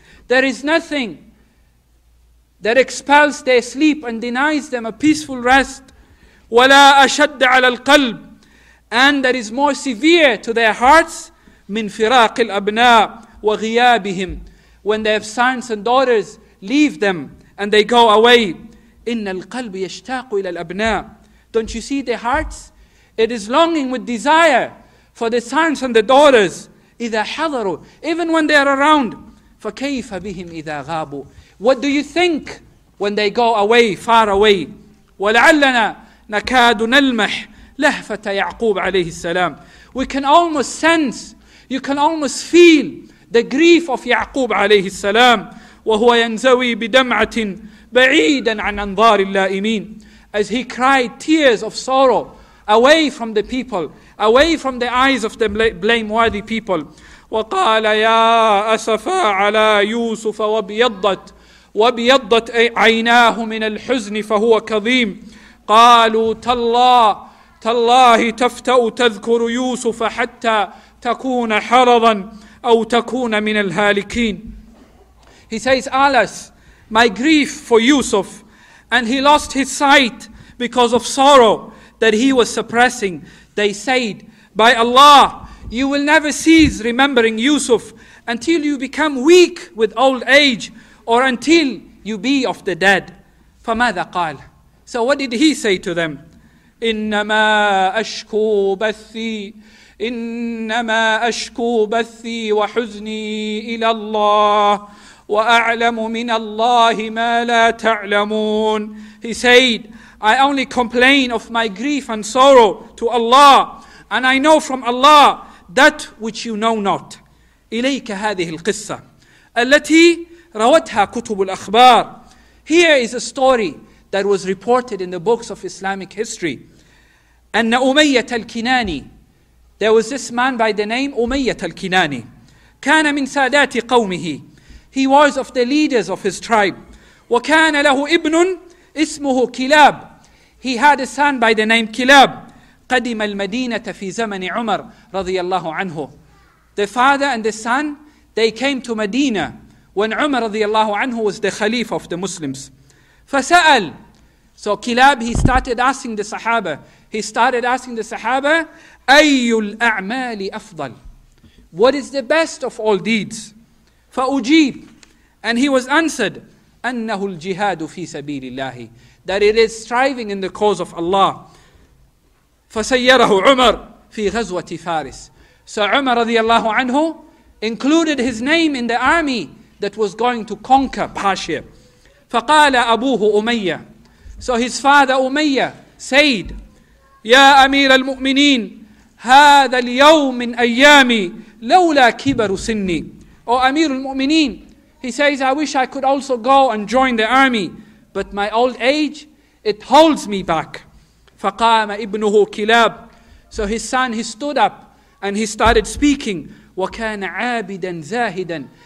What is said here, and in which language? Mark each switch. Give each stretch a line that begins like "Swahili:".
English: There is nothing that expels their sleep and denies them a peaceful rest.
Arabic: ولا أشد على القلب.
English: And that is more severe to their hearts
Arabic: من فراق الأبناء وغيابهم.
English: When they have sons and daughters, leave them and they go away.
Arabic: إن القلب يشتاق إلى الأبناء.
English: Don't you see their hearts? It is longing with desire for the sons and the daughters.
Arabic: إذا حضروا,
English: even when they are around.
Arabic: فكيف بهم إذا غابوا.
English: What do you think when they go away, far away?
Arabic: ولعلنا نكاد نلمح لهفة يعقوب عليه السلام.
English: We can almost sense, you can almost feel the grief of يعقوب
Arabic: عليه السلام. وهو ينزوي بدمعة بعيدا عن أنظار اللائمين.
English: As he cried tears of sorrow away from the people, away from the eyes of the blameworthy people.
Arabic: وقال يا أسفا على يوسف وبيضت وبيضت عيناه من الحزن فهو كظيم. قالوا تالله تالله تفتأ تذكر يوسف حتى تكون حرضا أو تكون من الهالكين.
English: He says, alas, my grief for Yusuf, and he lost his sight because of sorrow that he was suppressing. They said, by Allah, you will never cease remembering Yusuf until you become weak with old age or until you be of the dead.
Arabic: فماذا قال?
English: So what did he say to them?
Arabic: إنما أشكو بثي إنما أشكو بثي وحزني إلى الله وأعلم من الله ما لا تعلمون.
English: He said, I only complain of my grief and sorrow to Allah, and I know from Allah that which you know not.
Arabic: إليك هذه القصة التي روتها كتب الأخبار.
English: Here is a story that was reported in the books of Islamic history.
Arabic: أن أمية الكناني,
English: there was this man by the name أمية الكناني,
Arabic: كان من سادات قومه.
English: He was of the leaders of his tribe.
Arabic: وكان له ابن اسمه كلاب.
English: He had a son by the name كلاب.
Arabic: قدم المدينة في زمن عمر رضي الله عنه.
English: The father and the son, they came to Medina when عمر
Arabic: رضي الله عنه
English: was the Khalifa of the Muslims.
Arabic: فسأل.
English: So كلاب, he started asking the Sahaba. He started asking the Sahaba,
Arabic: أي الأعمال أفضل?
English: What is the best of all deeds?
Arabic: فأجيب.
English: And he was answered,
Arabic: أنه الجهاد في سبيل الله.
English: That it is striving in the cause of Allah.
Arabic: فسيره عمر في غزوة فارس.
English: So عمر
Arabic: رضي الله عنه
English: included his name in the army that was going to conquer Persia.
Arabic: فقال أبوه أمية.
English: So his father
Arabic: أمية said, يا أمير المؤمنين هذا اليوم من أيامي لولا كبر سني.
English: O Amir al-Mu'mineen, he says, I wish I could also go and join the army, but my old age, it holds me back.
Arabic: فقام ابنه كلاب.
English: So his son, he stood up and he started speaking.
Arabic: وكان عابدا زاهدا.